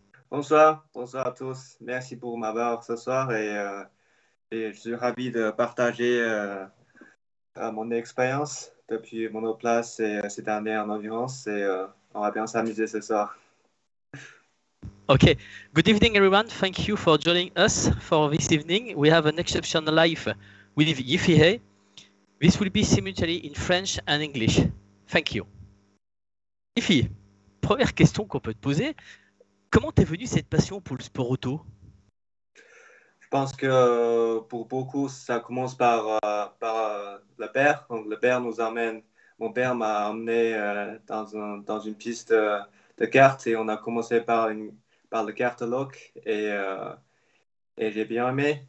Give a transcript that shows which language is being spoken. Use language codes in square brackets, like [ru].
[fr] Bonsoir, bonsoir à tous. Merci pour m'avoir ce soir et je suis ravi de partager mon expérience depuis Monoplace et cette année en endurance et on va bien s'amuser ce soir. [en] Okay, good evening everyone. Thank you for joining us for this evening. We have an exceptional live with Yifei. This will be simultaneously in French and English. Thank you. [fr] Yifei, première question qu'on peut te poser, comment t'es venue cette passion pour le sport auto? Je pense que pour beaucoup, ça commence par le père. Donc, le père nous amène. Mon père m'a emmené dans une piste de kart et on a commencé par le kart lock et j'ai bien aimé.